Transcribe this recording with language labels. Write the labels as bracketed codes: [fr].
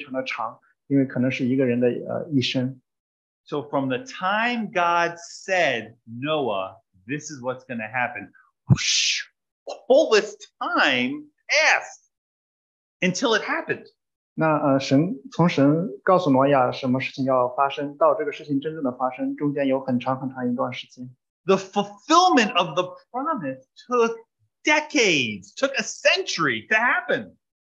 [zh] 有人在争论到底是70年、100年还是120年，但不管怎么样，我们说的这个数字都非常的长，因为可能是一个人的一生。 [en] So from the time God said, Noah, this is what's going to happen, whoosh, all this time passed until it happened. [zh] 那神从神告诉挪亚什么事情要发生，到这个事情真正的发生，中间有很长很长一段时间。 [en] The fulfillment of the promise took decades, took a century to happen.